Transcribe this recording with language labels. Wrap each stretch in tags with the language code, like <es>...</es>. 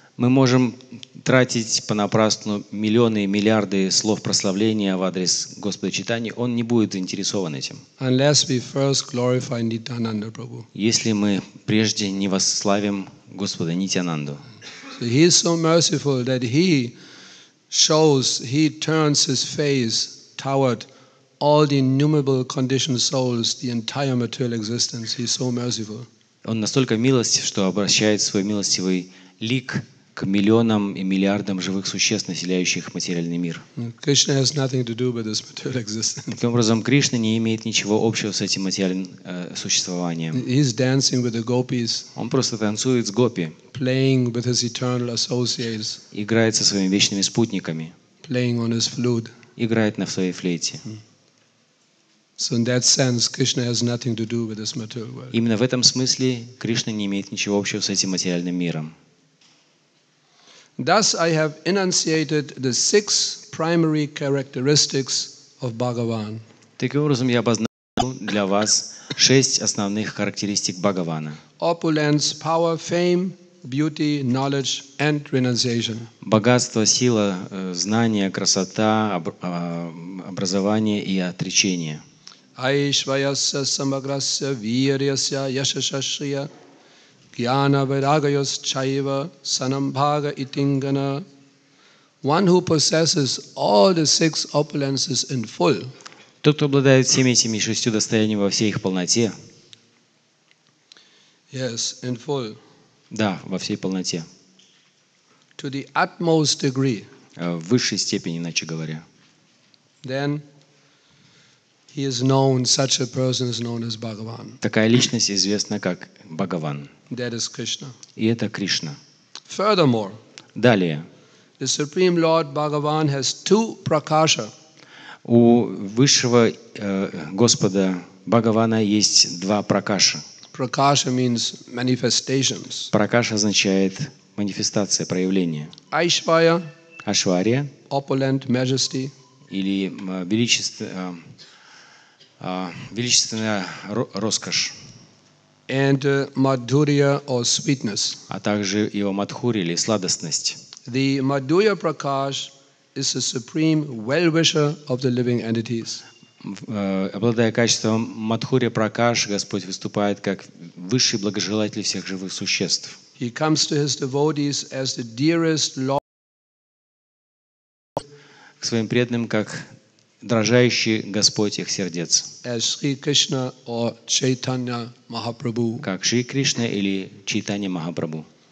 <ru>Мы можем тратить понапрасну миллионы и миллиарды слов прославления в адрес Господа Чайтаньи. Он не будет заинтересован этим.</ru> <en>Unless we first glorify Nityananda Prabhu.</en> <ru>Если мы прежде не восславим Господа Нитянанду.</ru> <en>So he is so merciful that he shows, he turns his face toward all the innumerable conditioned souls, the entire material existence. He is so merciful.</en> <ru>Он настолько милостив, что обращает свой милостивый лик к миллионам и миллиардам живых существ, населяющих материальный мир.</ru> <en>Krishna has nothing to do with this material existence.</en> <ru>Таким образом, Кришна не имеет ничего общего с этим материальным существованием.</ru> <en>He is dancing with the gopis.</en> <ru>Он просто танцует с гопи.</ru> <en>Playing with his eternal associates.</en> <ru>Играет со своими вечными спутниками.</ru> <en>Playing on his flute.</en> <ru>Играет на своей флейте.</ru> <en>So in that sense, Krishna has nothing to do with this material world.</en> <ru>Именно в этом смысле Кришна не имеет ничего общего с этим материальным миром.</ru> <en>Thus, I have enunciated the six primary characteristics of Bhagavan.</en> <ru>Таким образом, я обозначил для вас шесть основных характеристик Бхагавана.</ru> <en>Opulence, power, fame, beauty, knowledge, and renunciation.</en> <ru>Богатство, сила, знание, красота, образование и отречение.</ru> <sa>Айшвайасса самаграсса вирьяся яшашашрия гьяна вирагайос чайва санамбхага итингана.</sa> <en>One who possesses all the six opulences in full.</en> <ru>Тот, кто обладает всеми этими шестью достояниями во всей их полноте.</ru> <en>Yes, in full.</en> <ru>Да, во всей полноте.</ru> <en>To the utmost degree.</en> <ru>В высшей степени, иначе говоря.</ru> <en>Then he is known, such a person is known as Bhagavan.</en> <ru>Такая личность известна как Бхагаван.</ru> <en>That is Krishna.</en> <ru>И это Кришна.</ru> <en>Furthermore.</en> <ru>Далее.</ru> <en>The Supreme Lord Bhagavan has two prakasha.</en> <ru>У высшего Господа Бхагавана есть два пракаша.</ru> <en>Prakasha means manifestations.</en> <ru>Пракаша означает манифестация, проявление.</ru> <sa>Айшвая. Ашвария.</sa> <en>Opulent majesty.</en> <ru>Или величество. Величественная роскошь.</ru> <en>And madhurya or sweetness.</en> <ru>А также его мадхурия или сладостность.</ru> <en>The madhurya prakash is the supreme well-wisher of the living entities.</en> <ru>Обладая качеством мадхурия пракаш, Господь выступает как высший благожелатель всех живых существ.</ru> <en>He comes to his devotees as the dearest lord.</en> <ru>К своим преданным как дрожащий Господь их сердец.</ru> <en>As Shri Krishna or Chaitanya Mahaprabhu.</en> <ru>Как Шри Кришна или Чайтанья Махапрабху.</ru>